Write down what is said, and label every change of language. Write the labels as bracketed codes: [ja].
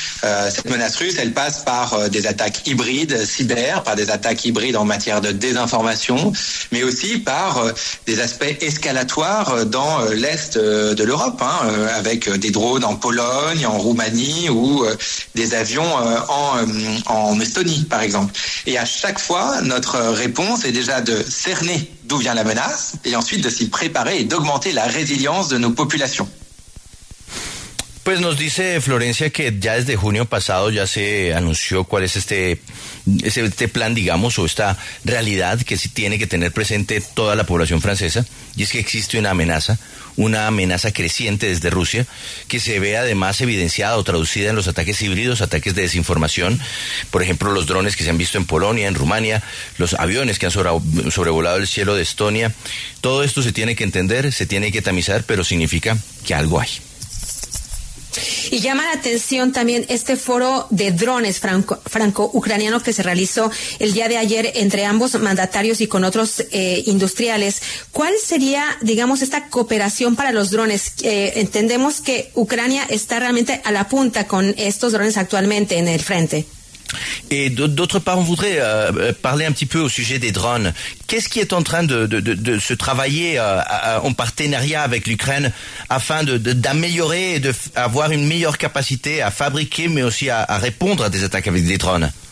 [fr] Cette menace russe, elle passe par des attaques hybrides cyber, par des attaques hybrides en matière de désinformation, mais aussi par des aspects escalatoires dans l'Est de l'Europe, hein, avec des drones en Pologne, en Roumanie ou des avions en Estonie, par exemple. Et à chaque fois, notre réponse est déjà de cerner d'où vient la menace et ensuite de s'y préparer et d'augmenter la résilience de nos populations. [es] Pues nos dice Florencia que ya desde junio pasado ya se anunció cuál es este plan, digamos, o esta realidad que sí tiene que tener presente toda la población francesa, y es que existe una amenaza creciente desde Rusia, que se ve además evidenciada o traducida en los ataques híbridos, ataques de desinformación, por ejemplo, los drones que se han visto en Polonia, en Rumania, los aviones que han sobrevolado el cielo de Estonia. Todo esto se tiene que entender, se tiene que tamizar, pero significa que algo hay. Y llama la atención también este foro de drones franco-ucraniano que se realizó el día de ayer entre ambos mandatarios y con otros industriales. ¿Cuál sería, digamos, esta cooperación para los drones? Entendemos que Ucrania está realmente a la punta con estos drones actualmente en el frente. [fr] Et d'autre part, on voudrait parler un petit peu au sujet des drones. Qu'est-ce qui est en train de se travailler en partenariat avec l'Ukraine afin d'améliorer et d'avoir une meilleure capacité à fabriquer, mais aussi à répondre à des attaques avec des drones?